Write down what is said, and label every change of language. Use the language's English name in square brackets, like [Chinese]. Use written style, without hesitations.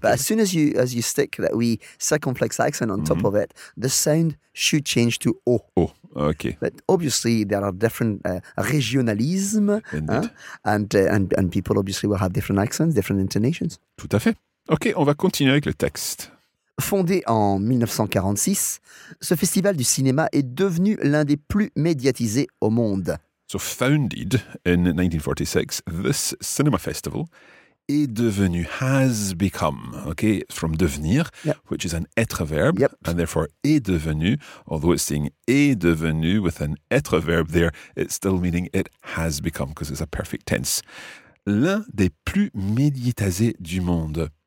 [English] But as soon as you stick that wee circumflex accent on top of it, the sound should change to O. O. Okay. But obviously there are different régionalism, and people obviously will have different accents, different intonations. [French] Tout à fait. Ok, on va continuer avec le texte. Fondé en 1946, ce festival du cinéma est devenu l'un des plus médiatisés au monde. [English] So founded in 1946, this cinema festival [French] est devenu, [English] has become, okay, from devenir, which is an être verb, and therefore est devenu, although it's saying est devenu with an être verb there, it's still meaning it has become, because it's a perfect tense. [French] L'un des plus médiatisés du monde.